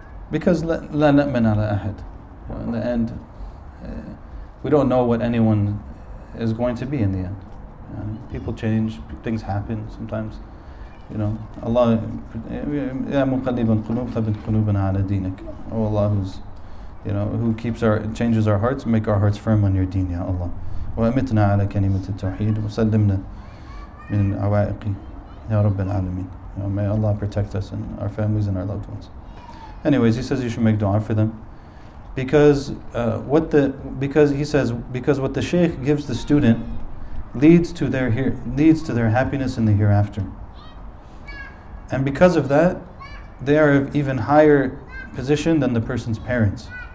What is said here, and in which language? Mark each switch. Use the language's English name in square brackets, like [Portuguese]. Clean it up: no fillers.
[English] Because [Arabic] la na'man ala ahad. [English] In the end, we don't know what anyone is going to be in the end. People change, things happen sometimes. You know, Allah, [Arabic] ya muqallibal qulub, thabbit qulubana ala deenik. [English] Oh Allah, who's, you know, who keeps our, changes our hearts, make our hearts firm on your deen, ya Allah. [Arabic] وأمتنا على كلمة التوحيد وسلمنا من عوائق يا رب العالمين. [English] May Allah protect us and our families and our loved ones. Anyways, he says you should make dua for them because what the sheikh gives the student leads to their happiness in the hereafter. And because of that, they are of even higher position than the person's parents.